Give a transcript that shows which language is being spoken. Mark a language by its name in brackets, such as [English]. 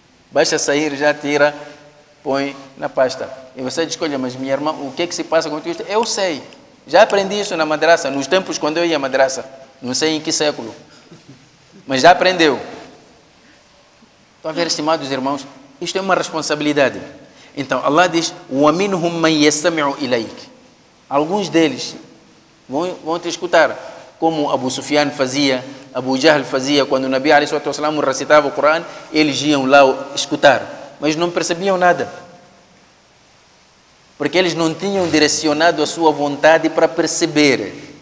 [Portuguese] Basta sair, já tira, põe na pasta. E você diz, olha, mas minha irmã, o que é que se passa com isto? Eu sei. Já aprendi isso na madraça, nos tempos quando eu ia à madraça. Não sei em que século. Mas já aprendeu. Estão a ver, estimados irmãos, isto é uma responsabilidade. Então, Allah diz, [Arabic] وَمِنْهُمْ مَنْ يَسْتَمِعُ إِلَيْكَ. [Portuguese] Alguns deles vão te escutar, como Abu Sufyan fazia, Abu Jahl fazia, quando o Nabi ﷺ recitava o Coran, eles iam lá escutar. Mas não percebiam nada. Porque eles não tinham direcionado a sua vontade para perceber.